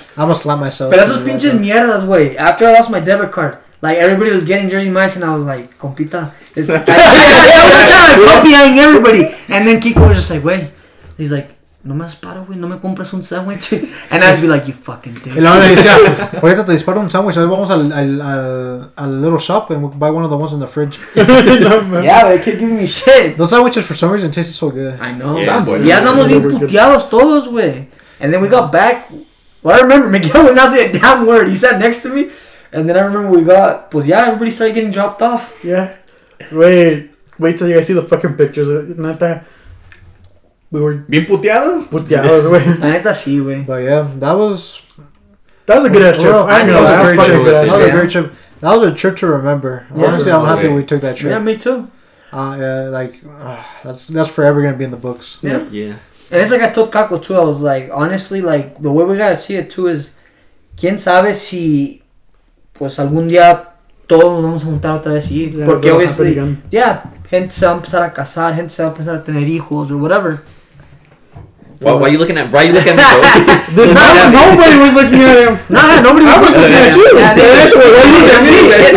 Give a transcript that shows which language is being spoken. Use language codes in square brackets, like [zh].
[en] I'm gonna slap myself. [es] Pero esos pinches mierdas, güey. [en] After I lost my debit card, like, everybody was getting Jersey Mike's, and I was like, compita. I was kind of like copying everybody. And then Kiko was just like, güey. He's like, [es] no me disparo, güey. No me compras un sandwich. [en] And I'd be like, you fucking dick. [es] Y luego le decía, ahorita te disparo un sandwich. Ahí vamos al [en] little shop and we'll buy one of the ones in the fridge. Yeah, but they keep giving me shit. Those sandwiches, for some reason, tasted so good. I know. [es] Ya andamos bien puteados todos, güey. [en] And then we got back. Well, I remember Miguel would not say a damn word. He sat next to me. And then I remember we got, pues yeah, everybody started getting dropped off. Yeah. Wait till you guys see the fucking pictures. Not that. We were [es] bien puteados? Puteados, güey. La neta sí, güey. [en] But yeah, that was a good ass trip. I know, that was a great trip. That was a great trip. That was a trip to remember. Yeah, honestly, I'm happy we took that trip. Yeah, me too. That's forever gonna be in the books. Yeah. And it's like I told Kako too, I was like, honestly, like, the way we gotta see it too is, [es] quién sabe si, pues algún día, todos nos vamos a juntar otra vez y ir. [en] Porque obviously, yeah. [es] Gente se va a empezar a casar, gente se va a empezar a tener hijos, [en] or whatever. Why are you looking at me? Why are you looking at me, bro? Nobody was looking at him. Nah, nobody was looking at you. Yeah, they looking at me.